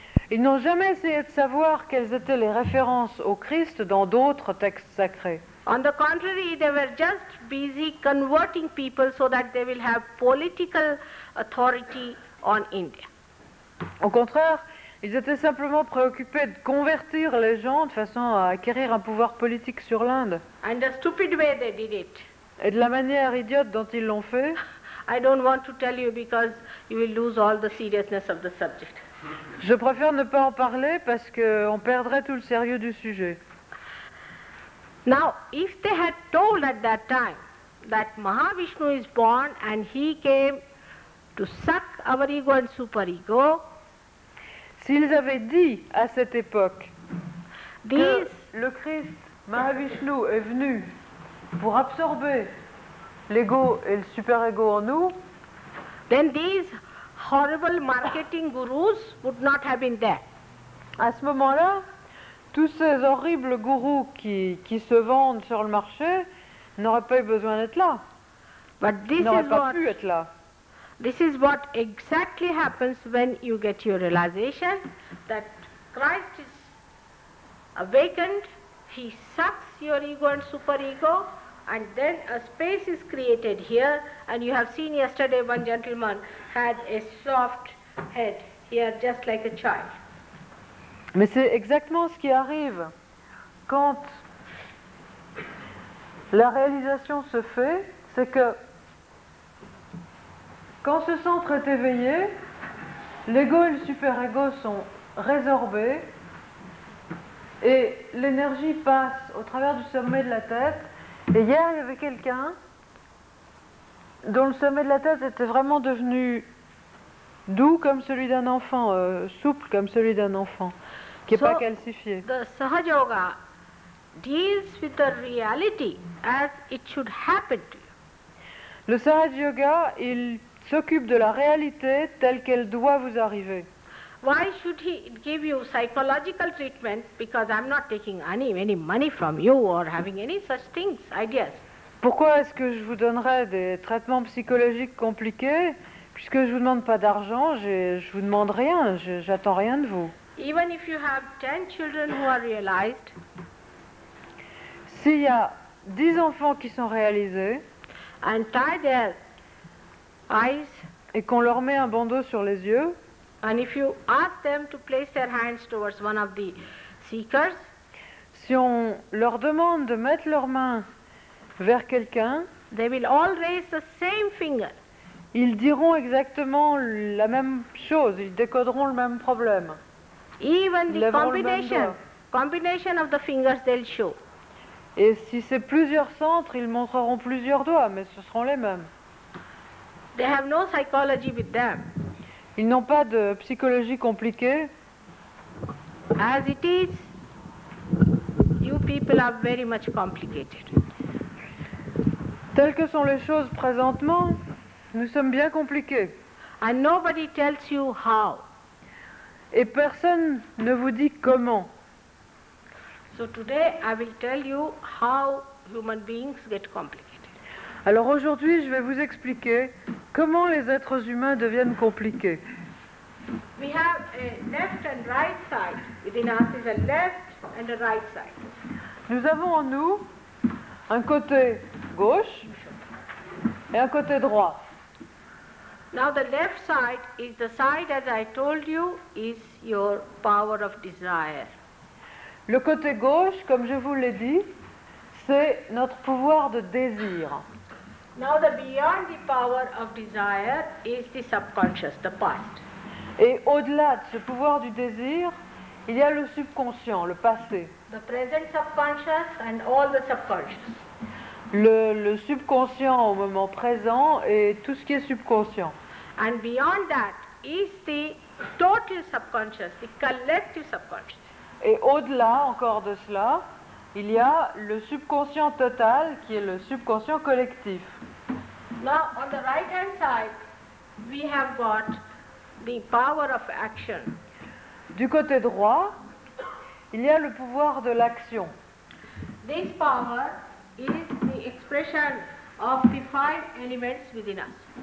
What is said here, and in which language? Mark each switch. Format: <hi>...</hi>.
<fr>Ils n'ont jamais essayé de savoir quelles étaient les références au Christ dans d'autres textes sacrés.</fr> <en>On the contrary, they were just busy converting people so that they will have political authority on India.</en> <fr>Au contraire, ils étaient simplement préoccupés de convertir les gens de façon à acquérir un pouvoir politique sur l'Inde.</fr> <en>And the stupid way they did it.</en> <fr>Et de la manière idiote dont ils l'ont fait.</fr> <en>I don't want to tell you because you will lose all the seriousness of the subject.</en> <fr>Je préfère ne pas en parler parce qu'on perdrait tout le sérieux du sujet.</fr> <en>Now, if they had told at that time that Mahavishnu is born and he came to suck our ego and superego,</en> <fr>s'ils avaient dit à cette époque que le Christ Mahavishnu est venu pour absorber l'ego et le superego en nous,</fr> <en>then these horrible marketing gurus would not have been there.</en> <fr>À ce moment-là, tous ces horribles gourous qui se vendent sur le marché n'auraient pas eu besoin d'être là.</fr> <en>But this</en> <fr>n'auraient</fr> <en>is</en> <fr>pas</fr> <en>what,</en> <fr>pu être là.</fr> <en>This is what exactly happens when you get your realization that Christ is awakened. He sucks your ego and superego, and then a space is created here. And you have seen yesterday one gentleman had a soft head here, just like a child.</en> <fr>Mais c'est exactement ce qui arrive quand la réalisation se fait, c'est que quand ce centre est éveillé, L'ego et le super-ego sont résorbés et l'énergie passe au travers du sommet de la tête. Et hier, il y avait quelqu'un dont le sommet de la tête était vraiment devenu doux comme celui d'un enfant, souple comme celui d'un enfant, qui n'est</fr> <en>so,</en> <fr>pas calcifié.</fr> <en>The Sahaja Yoga deals with the reality as it should happen to you.</en> <fr>Le Sahaja Yoga, il s'occupe de la réalité telle qu'elle doit vous arriver.</fr> <en>Why should he give you psychological treatment? Because I'm not taking any money from you or having any such things, ideas.</en> <fr>Pourquoi est-ce que je vous donnerais des traitements psychologiques compliqués puisque je vous demande pas d'argent, je vous demande rien, j'attends rien de vous.</fr> <en>Even if you have 10 children who are realized.</en> <fr>S'il y a 10 enfants qui sont réalisés.</fr> <en>And tie their eyes.</en> <fr>Et qu'on leur met un bandeau sur les yeux.</fr> <en>And if you ask them to place their hands towards one of the seekers.</en> <fr>Si on leur demande de mettre leurs mains vers quelqu'un.</fr> <en>They will all raise the same finger.</en> <fr>Ils diront exactement la même chose, ils décoderont le même problème.</fr> <en>Even the combination of the fingers they'll show.</en> <fr>Et si c'est plusieurs centres, ils montreront plusieurs doigts, mais ce seront les mêmes.</fr> <en>They have no psychology with them.</en> <fr>Ils n'ont pas de psychologie compliquée.</fr> <en>As it is, you people are very much complicated.</en> <fr>Telles que sont les choses présentement, nous sommes bien compliqués.</fr> <en>And nobody tells you how.</en> <fr>Et personne ne vous dit comment.</fr> <en>So today I will tell you how human beings get complicated.</en> <fr>Alors aujourd'hui, je vais vous expliquer comment les êtres humains deviennent compliqués.</fr> <en>We have a left and right side. Within us is a left and a right side.</en> <fr>Nous avons en nous un côté gauche et un côté droit.</fr> <en>Now the left side is the side, as I told you, is your power of desire.</en> <fr>Le côté gauche, comme je vous l'ai dit, c'est notre pouvoir de désir.</fr> <en>Now the beyond the power of desire is the subconscious, the past.</en> <fr>Et au-delà de ce pouvoir du désir, il y a le subconscient, le passé.</fr> <en>The present subconscious and all the subconscious.</en> <fr>Le subconscient au moment présent et tout ce qui est subconscient.</fr> <en>And beyond that is the total subconscious, the collective subconscious.</en> <fr>Et au-delà encore de cela, il y a le subconscient total qui est le subconscient collectif.</fr> <en>Now, on the right hand side, we have got the power of action.</en> <fr>Du côté droit, il y a le pouvoir de l'action.</fr> <en>This power is the expression of the five elements within us.</en>